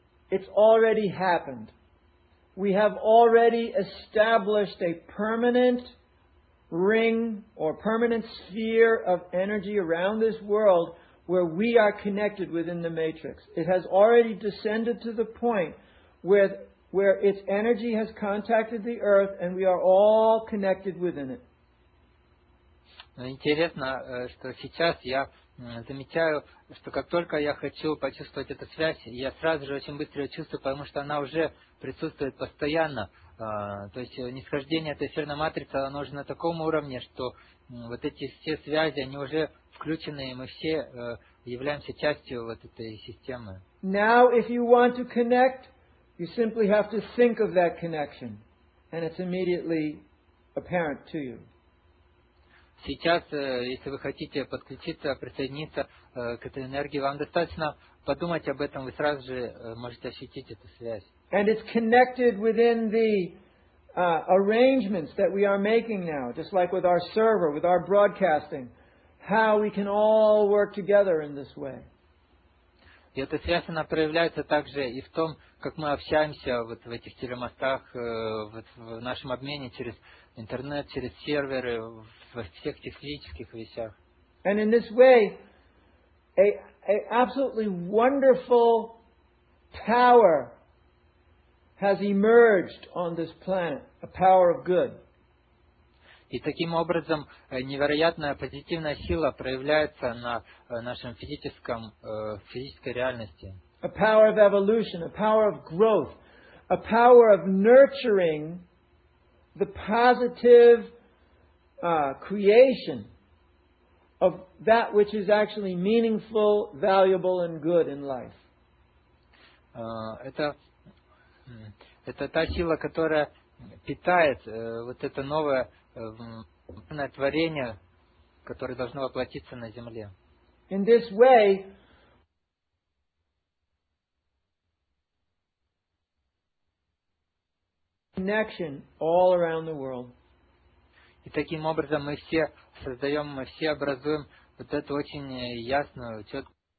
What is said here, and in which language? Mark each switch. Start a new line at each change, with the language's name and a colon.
English: It's already happened. We have already established a permanent ring or permanent sphere of energy around this world where we are connected within the matrix. It has already descended to the point where its energy has contacted the earth and we are all connected within it.
Russian: Интересно, что сейчас я замечаю, что как только я хочу почувствовать эту связь, я сразу же очень быстро ее чувствую, потому что она уже присутствует постоянно. То есть нисхождение этой эфирной матрицы, оно уже на таком уровне, что вот эти все связи, они уже включены, и мы все являемся частью вот этой системы.
English: Now, if you want to connect, you simply have to think of that connection, and it's immediately apparent to you.
Russian: Сейчас, если вы хотите подключиться, присоединиться к этой энергии, вам достаточно подумать об этом, вы сразу же можете ощутить эту связь.
English: And it's connected within the arrangements that we are making now, just like with our server, with our broadcasting, how we can all work together in this way.
Russian: И эта связь, она проявляется также и в том, как мы общаемся вот в этих телемостах, вот в нашем обмене через интернет, через серверы, во всех технических вещах.
English: And in this way, a absolutely wonderful power has emerged on this planet, a power of good.
Russian: И таким образом невероятная позитивная сила проявляется на нашем физическом, физической реальности.
English: A power of evolution, a power of growth, a power of nurturing the positive creation of that which is actually meaningful, valuable and good in life.
Russian: Это та сила, которая питает вот это новое творение, которое должно воплотиться на земле.
English: In this way, connection all around the world.
Russian: И таким образом мы все создаем, мы все образуем вот эту очень ясную, четкую.